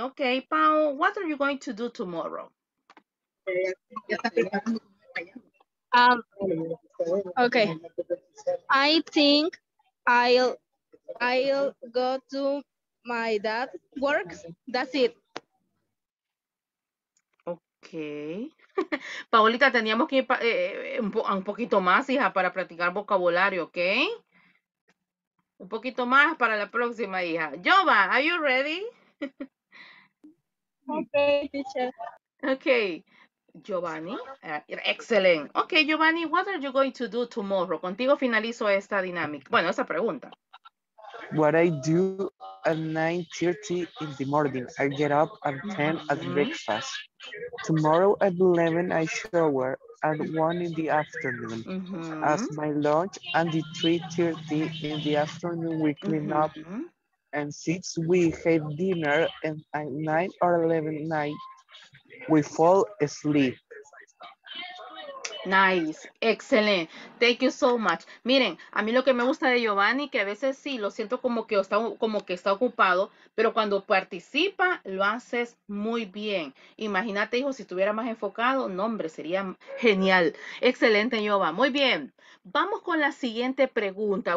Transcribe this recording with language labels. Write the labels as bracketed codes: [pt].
[en] Okay, Pau, what are you going to do tomorrow? Okay. I think I'll go to my dad's work. That's it. Okay. [es] Paulita, teníamos que ir un poquito más, hija, para practicar vocabulario, okay? Un poquito más para la próxima, hija. Jova, [en] are you ready? Okay, teacher. Okay. Giovanni, excellent. Okay, Giovanni, what are you going to do tomorrow? [es] Contigo finalizo esta dinámica. Bueno, esa pregunta. [en] What I do at 9:30 in the morning. I get up at 10 at breakfast. Tomorrow at 11, I shower at 1 in the afternoon. Mm-hmm. As my lunch and the 3:30 in the afternoon, we clean up. And 6, we have dinner and at 9 or 11 night, we fall asleep. Nice, excellent. Thank you so much. [es] Miren, a mí lo que me gusta de Giovanni, que a veces sí, lo siento como que está ocupado, pero cuando participa, lo haces muy bien. Imagínate, hijo, si estuviera más enfocado, no, hombre, sería genial. Excelente, Giovanni. Muy bien. Vamos con la siguiente pregunta.